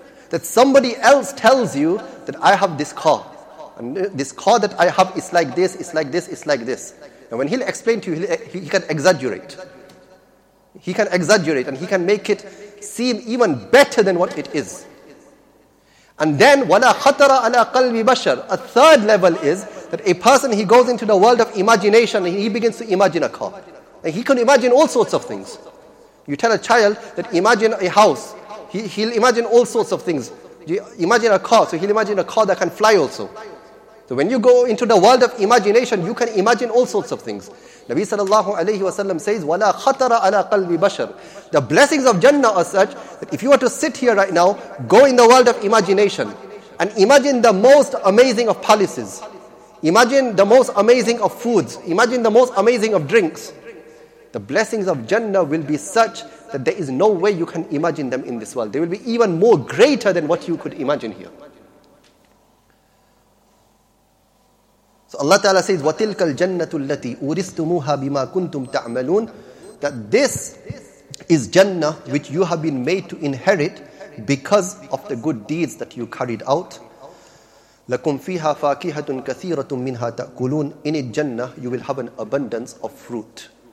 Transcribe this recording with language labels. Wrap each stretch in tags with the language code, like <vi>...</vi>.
<en>That somebody else tells you that I have this car. And this car that I have is like this, it's like this, it's like this. And when he'll explain to you, he can exaggerate. He can exaggerate and he can make it seem even better than what it is.</en> <ar>And then, وَلَا خَطَرَ عَلَىٰ قَلْبِ بَشَرٍ.</ar> <en>A third level is that a person, he goes into the world of imagination and he begins to imagine a car. And he can imagine all sorts of things. You tell a child that imagine a house. He'll imagine all sorts of things. You imagine a car, so he'll imagine a car that can fly also. So when you go into the world of imagination, you can imagine all sorts of things. Nabi sallallahu alayhi wa sallam says,</en> <ar>وَلَا خَطَرَ عَلَىٰ قَلْبِ بَشَرٍ.</ar> <en>The blessings of Jannah are such that if you were to sit here right now, go in the world of imagination and imagine the most amazing of palaces. Imagine the most amazing of foods. Imagine the most amazing of drinks. The blessings of Jannah will be such that there is no way you can imagine them in this world. They will be even more greater than what you could imagine here. So Allah Ta'ala says,</en> <ar>وَتِلْكَ الْجَنَّةُ الَّتِي أُورِثْتُمُوهَا بِمَا كُنْتُمْ تَعْمَلُونَ.</ar> <en>That this is Jannah which you have been made to inherit because of the good deeds that you carried out.</en> <ar>لَكُمْ فِيهَا فَاكِهَةٌ كَثِيرَةٌ مِّنْهَا تَأْكُلُونَ.</ar> <en>In it Jannah, you will have an abundance of fruit.</en>